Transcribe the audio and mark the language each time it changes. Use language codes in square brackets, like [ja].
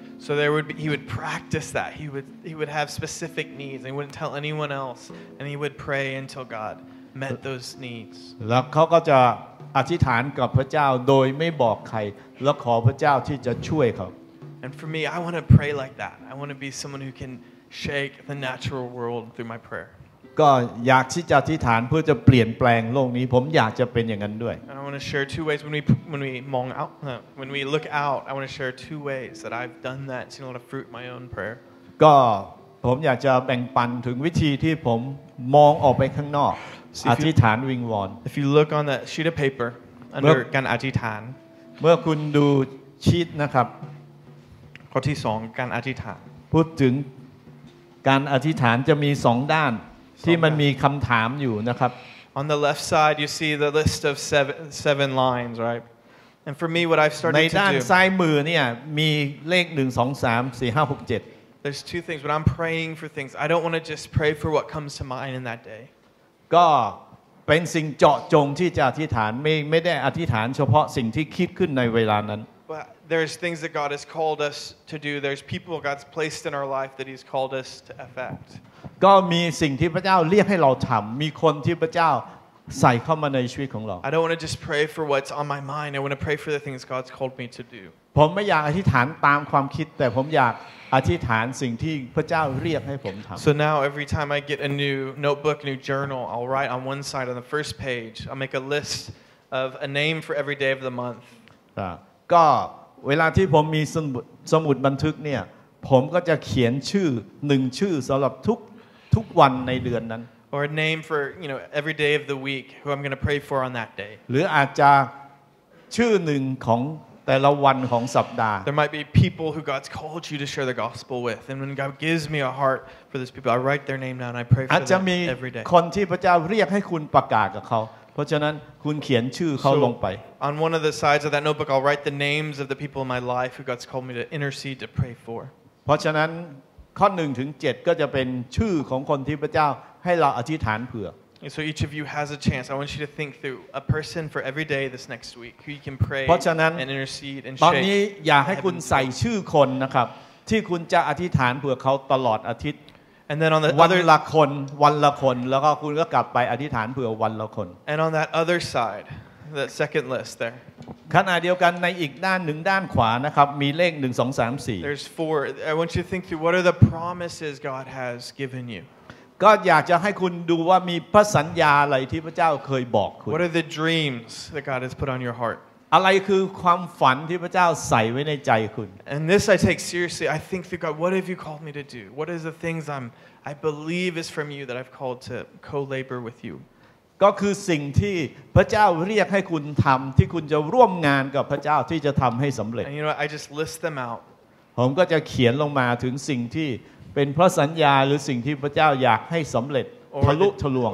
[en] So there would be, he would practice that he would have specific needs and he wouldn't tell anyone else and he would pray until God met those needs [th] แล้วเขาก็จะอธิษฐานกับพระเจ้าโดยไม่บอกใครแล้วขอพระเจ้าที่จะช่วยเขา [en] And for me I want to pray like that I want to be someone who canshake the natural world through my prayer [th] ก็อยากที่จะอธิษฐานเพื่อจะเปลี่ยนแปลงโลกนี้ผมอยากจะเป็นอย่างนั้นด้วย [en] And I want to share two ways when we mong out when we look out I want to share two ways that I've done that seen a lot of fruit in my own prayer [th] ก็ผมอยากจะแบ่งปันถึงวิธีที่ผมมองออกไปข้างนอกอธิษฐานวิงวอน [en] If you look on that sheet of paper under การอธิษฐาน [th] เมื่อคุณดูชีตนะครับ ข้อที่2การอธิษฐาน พูดถึงการอธิษฐานจะมี2ด้านที่มันมีคำถามอยู่นะครับ [en] On the left side you see the list of seven lines right And for me what I've started to do [th] ในด้านซ้ายมือเนี่ยมีเลข1 2 3 4 5 6 7 [en] There's two things when I'm praying for things I don't want to just pray for what comes to mind in that day [th] ก็เป็นสิ่งเจาะจงที่จะอธิษฐานไม่ได้อธิษฐานเฉพาะสิ่งที่คิดขึ้นในเวลานั้น [en] There's things that God has called us to do. There's people God's placed in our life that He's called us to affect. [th] ก็มีสิ่งที่พระเจ้าเรียกให้เราทำมีคนที่พระเจ้าใส่เข้ามาในชีวิตของเรา [en] I don't want to just pray for what's on my mind. I want to pray for the things God's called me to do. [th] ผมไม่อยากอธิษฐานตามความคิดแต่ผมอยากอธิษฐานสิ่งที่พระเจ้าเรียกให้ผมทำ [en] So now every time I get a new notebook, new journal, I'll write on one side on the first page. I'll make a list of a name for every day of the month. [th] ก็เวลาที่ผมมีสมุดบันทึกเนี่ยผมก็จะเขียนชื่อหนึ่งชื่อสำหรับทุกวันในเดือนนั้น [en] or a name for you know every day of the week who I'm going to pray for on that day [th] หรืออาจจะชื่อหนึ่งของแต่ละวันของสัปดาห์ [en] There might be people who God's called you to share the gospel with and when God gives me a heart for those people I write their name down and I pray for them every day [th] คนที่พระเจ้าเรียกให้คุณประกาศกับเขาเพราะฉะนั้นคุณเขียนชื่อเขาลงไป [en] On one of the sides of that notebook I'll write the names of the people in my life who God's called me to intercede to pray for [th] เพราะฉะนั้นข้อ1ถึง7ก็จะเป็นชื่อของคนที่พระเจ้าให้เราอธิษฐานเผื่อ [en] So each of you has a chance I want you to think through a person for every day this next week who you can pray and intercede and [th] shape ตอนนี้อย่าให้คุณใส่ชื่อคนนะครับที่คุณจะอธิษฐานเผื่อเขาตลอดอาทิตย์ [en] And then on the [th] วันละคนแล้วก็คุณก็กลับไปอธิษฐานเผื่อวันละคน [en] And on that other side that second list there [th] ขณะเดียวกันในอีกด้านหนึ่งด้านขวานะครับมีเลข1 2 3 4 [en] There's four I want you to think through what are the promises God has given you [th] ก็อยากจะให้คุณดูว่ามีพระสัญญาอะไรที่พระเจ้าเคยบอกคุณ [en] What are the dreams that God has put on your heart [th] อะไรคือความฝันที่พระเจ้าใส่ไว้ในใจคุณ [en] And this I take seriously. I think through God, what have you called me to do? What is the things I believe is from you that I've called to co-labor with you? [th] ก็คือสิ่งที่พระเจ้าเรียกให้คุณทำที่คุณจะร่วมงานกับพระเจ้าที่จะทำให้สำเร็จ [en] And you know what? I just list them out. [th] ผมก็จะเขียนลงมาถึงสิ่งที่เป็นพระสัญญาหรือสิ่งที่พระเจ้าอยากให้สำเร็จทะลุทะลวง